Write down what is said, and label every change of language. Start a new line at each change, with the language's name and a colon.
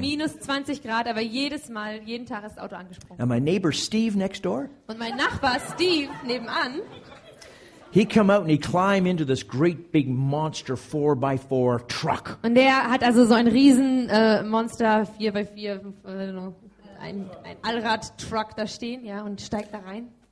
German: Minus 20 Grad, aber jedes Mal, jeden Tag ist das Auto angesprungen.
English: And my neighbor Steve next door.
German: Und mein Nachbar Steve nebenan.
English: He'd come out and he'd climb into this great big monster 4x4 truck.
German: Und der hat also so ein riesen Monster 4x4, ein Allrad-Truck da stehen, ja, und steigt da rein.